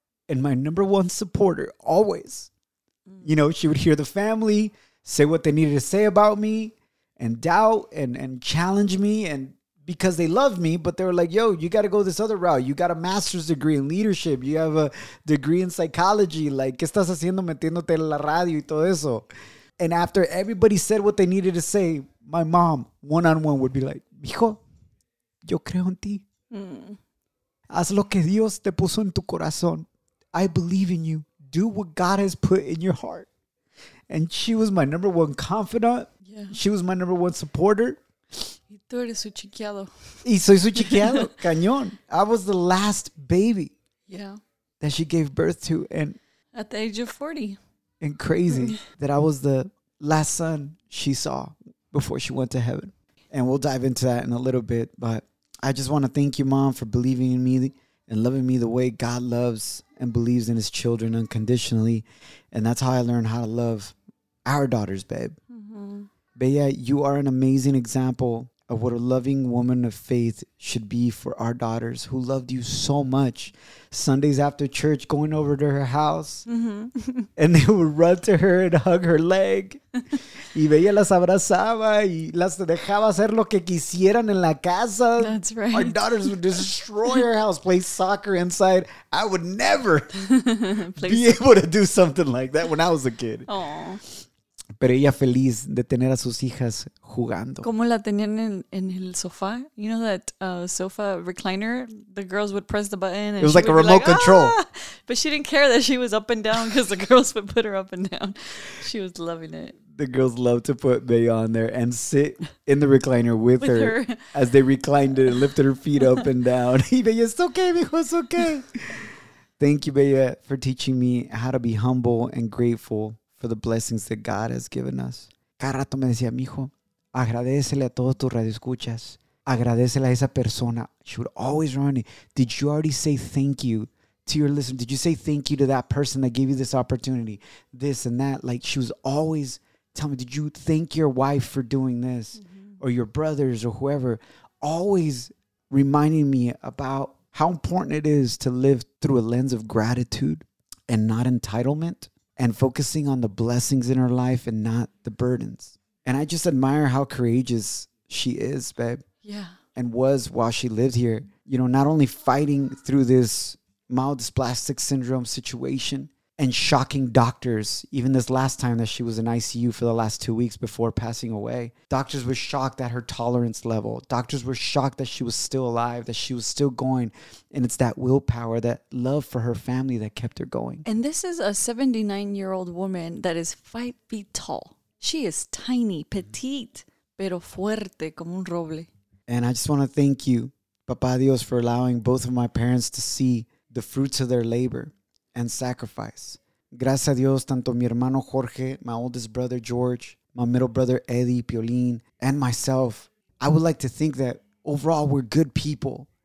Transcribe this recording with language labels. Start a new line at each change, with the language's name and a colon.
English: And my number one supporter, always, you know, she would hear the family say what they needed to say about me and doubt and challenge me, and because they love me, but they were like, yo, you got to go this other route. You got a master's degree in leadership. You have a degree in psychology.
Spanish: Like, ¿qué estás haciendo metiéndote en la radio y todo eso?
English: And after everybody said what they needed to say, my mom, one-on-one, would be like,
Spanish: mijo, yo creo en ti. Haz lo que Dios te puso en tu corazón.
English: I believe in you. Do what God has put in your heart. And she was my number one confidant. Yeah. She was my number one supporter.
Spanish: Y tú eres su chiquiado. Y soy su chiquiado, cañón.
English: I was the last baby, yeah, that she gave birth to. And at the age of 40. And crazy that I was the last son she saw before she went to heaven. And we'll dive into that in a little bit. But I just want to thank you, Mom, for believing in me and loving me the way God loves and believes in his children unconditionally. And that's how I learned how to love our daughters, babe. Mm-hmm. But yeah, you are an amazing example of what a loving woman of faith should be for our daughters who loved you so much. Sundays after church, going over to her house, mm-hmm, and they would run to her and hug her leg.
Spanish: Y Bella las abrazaba y las dejaba hacer lo que quisieran en la casa.
English: That's right. Our daughters would destroy her house, play soccer inside. I would never be able to do something like that when I was a kid. Aww.
Spanish: Pero ella feliz de tener a sus hijas jugando. Como la tenían en el sofá.
English: You know that sofa recliner? The girls would press the button. And it was like a remote control. Ah! But she didn't care that she was up and down because the girls would put her up and down. She was loving it. The girls loved to put Bella on there and sit in the recliner with her as they reclined it and lifted her feet up and down. Y Bella, it's okay, mijo, it's okay. Thank you, Bella, for teaching me how to be humble and grateful for the blessings that God has given us.
Spanish: Cada rato me decía, mijo, agradecele a todos tus radioescuchas. Agradecele a esa persona.
English: She would always remind me, did you already say thank you to your listener? Did you say thank you to that person that gave you this opportunity? This and that. Like, she was always telling me, did you thank your wife for doing this? Mm-hmm. Or your brothers or whoever. Always reminding me about how important it is to live through a lens of gratitude and not entitlement. And focusing on the blessings in her life and not the burdens. And I just admire how courageous she is, babe. Yeah. And was while she lived here. You know, not only fighting through this mild dysplastic syndrome situation, and shocking doctors. Even this last time that she was in ICU for the last 2 weeks before passing away, doctors were shocked at her tolerance level. Doctors were shocked that she was still alive, that she was still going. And it's that willpower, that love for her family that kept her going. And this is a 79-year-old woman that is 5 feet tall. She is tiny, petite,
Spanish: pero fuerte como un roble.
English: And I just want to thank you, Papa Dios, for allowing both of my parents to see the fruits of their labor and sacrifice.
Spanish: Gracias a Dios, tanto mi hermano Jorge,
English: my oldest brother George, my middle brother Eddie Piolín, and myself. I would like to think that overall we're good people.